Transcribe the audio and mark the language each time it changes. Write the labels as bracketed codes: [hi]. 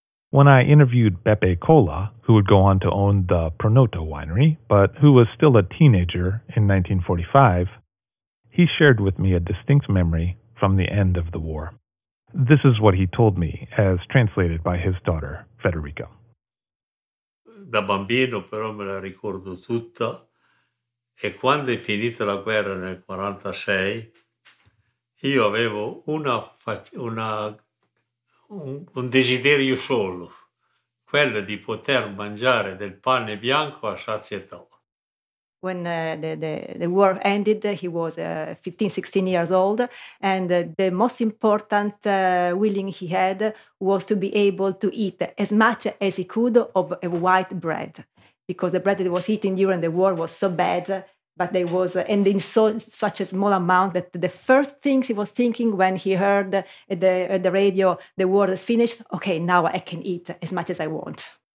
[en] When I interviewed Beppe Cola, who would go on to own the Pronoto winery, but who was still a teenager in 1945, he shared with me a distinct memory from the end of the war. This is what he told me, as translated by his daughter, Federica. [it] Da bambino però me la ricordo tutta. E quando è finita la guerra nel 46, io avevo un desiderio solo, quello di poter mangiare del pane bianco a sazietà. [en] When the war ended, he was 15, 16 years old, and the most important willing he had was to be able to eat as much as he could of a white bread, because the bread that he was eating during the war was so bad, but there was, and in so, such a small amount, that the first things he was thinking when he heard at the radio, the war is finished, okay, now I can eat as much as I want.